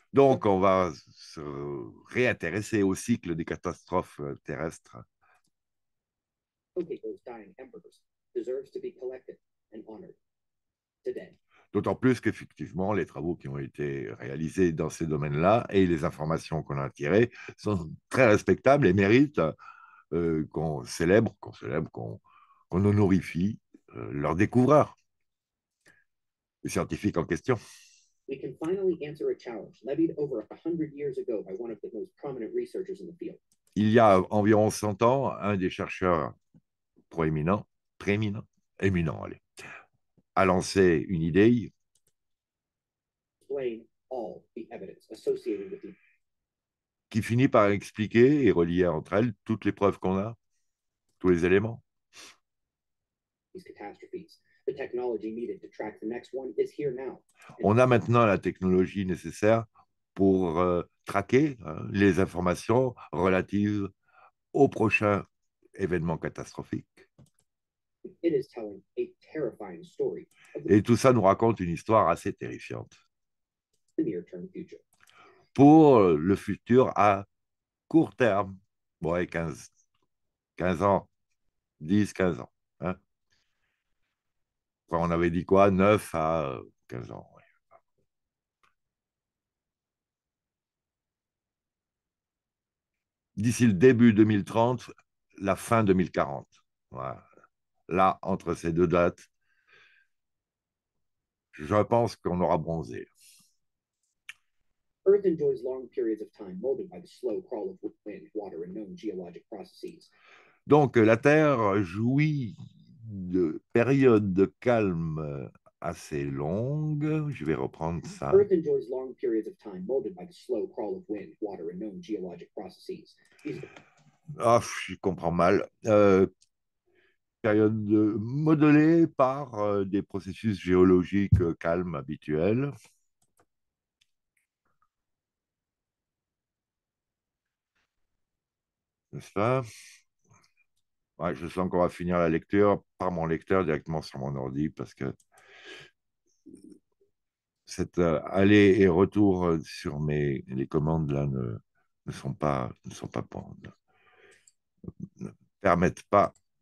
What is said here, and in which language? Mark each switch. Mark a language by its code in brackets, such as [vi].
[fr] Donc, on va se réintéresser au cycle des catastrophes terrestres. [en] Okay, those dying embers deserves to be collected and honored today. [fr] D'autant plus qu'effectivement, les travaux qui ont été réalisés dans ces domaines-là et les informations qu'on a tirées sont très respectables et méritent qu'on célèbre, qu'on honorifie leurs découvreurs, les scientifiques en question. [en] We can finally answer a challenge levied over 100 years ago by one of the most prominent researchers in the field. [fr] Il y a environ 100 ans, un des chercheurs proéminents, prééminents, éminents, allez, a lancé une idée. [en] Explain all the evidence associated with the... [fr] qui finit par expliquer et relier entre elles toutes les preuves qu'on a, tous les éléments. [en] These catastrophes. The technology needed to track the next one is here now. [fr] On a maintenant la technologie nécessaire pour traquer les informations relatives au prochain événement catastrophique. [en] It is telling a terrifying story of the... [fr] Et tout ça nous raconte une histoire assez terrifiante [en] the near-term future. [fr] Pour le futur à court terme. Bon, ouais, 15 ans, 10, 15 ans. Hein. Enfin, on avait dit quoi? 9 à 15 ans. D'ici le début 2030, la fin 2040. Voilà. Là, entre ces deux dates, je pense qu'on aura bronzé. [en] Earth enjoys long periods of time molded by the slow crawl of wind, water and known geologic processes. [fr] Donc, la Terre jouit de périodes de calme assez longues. Je vais reprendre ça. [en] Earth enjoys long periods of time molded by the slow crawl of wind, water and known geologic processes. [fr] Ah, je comprends mal. Période modelée par des processus géologiques calmes habituels. N'est-ce pas? Ouais, je sens qu'on va finir la lecture par mon lecteur directement sur mon ordi parce que cet aller et retour sur les commandes là ne sont pas pour, ne permettent pas.